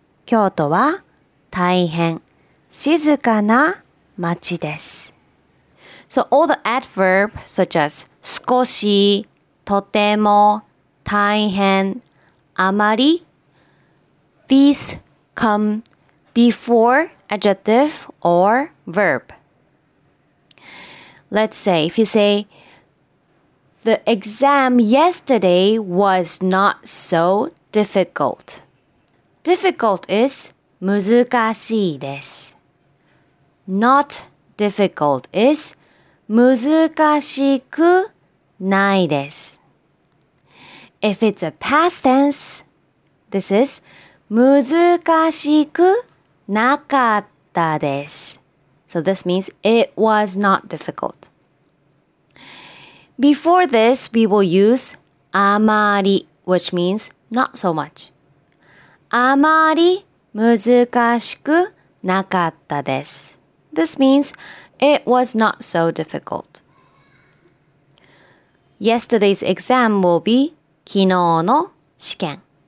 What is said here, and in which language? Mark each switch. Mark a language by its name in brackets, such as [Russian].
[Japanese] 京都は大変静かな町です。京都は大変 [English] So all the adverbs such as 少し, とても, 大変, あまり, these come before adjective or verb. Let's say, if you say, the exam yesterday was not so difficult. Difficult is [Japanese] 難しいです。 [English] Not difficult is [Japanese] 難しくないです. [English] If it's a past tense, this is [Japanese] 難しくなかったです. [English] So this means it was not difficult. Before this, we will use あまり, which means not so much. [Japanese] あまり難しくなかったです. [English] This means it was not so difficult. Yesterday's exam will be [Japanese] 昨日の試験。